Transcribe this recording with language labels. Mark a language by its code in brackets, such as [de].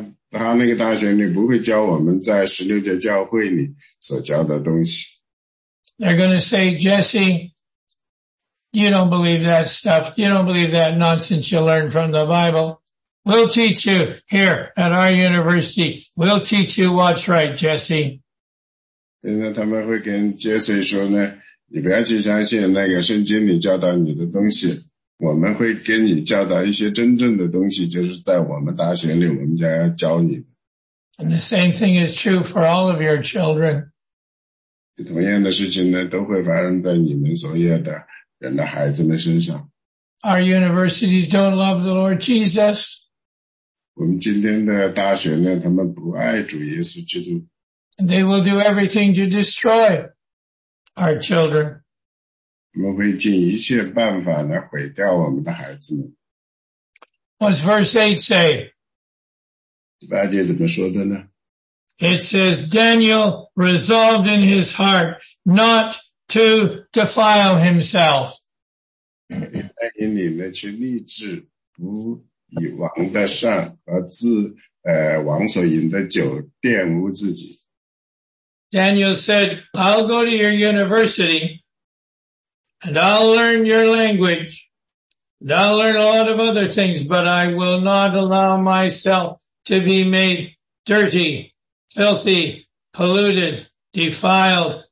[zh] 他那个大学里不会教我们在十六届教会里所教的东西。 [en] They're going to say, Jesse, you don't believe that stuff. You don't believe that nonsense you learned from the Bible. We'll teach you here at our university. We'll teach you what's right, Jesse. [zh] 他们会跟 Jesse 说呢，你不要去相信那个圣经里教导你的东西，我们会给你教导一些真正的东西，就是在我们大学里我们将要教你。 [en] And the same thing is true for all of your children. [zh] 同样的事情呢都会发生在你们所有的人的孩子们身上。 [en] Our universities don't love the Lord Jesus. [zh] 我们今天的大学呢他们不爱主耶稣基督。 [en] And they will do everything to destroy our children. [zh] 我们会尽一切办法来毁掉我们的孩子们。 [en] What's verse 8 say? [zh] 第八节怎么说的呢？ [en] It says, Daniel resolved in his heart not to defile himself. [zh] 在心里呢，却立志不以王的膳和自王所饮的酒玷污自己。 [en] Daniel said, I'll go to your university and I'll learn your language and I'll learn a lot of other things, but I will not allow myself to be made dirty, filthy, polluted, defiled.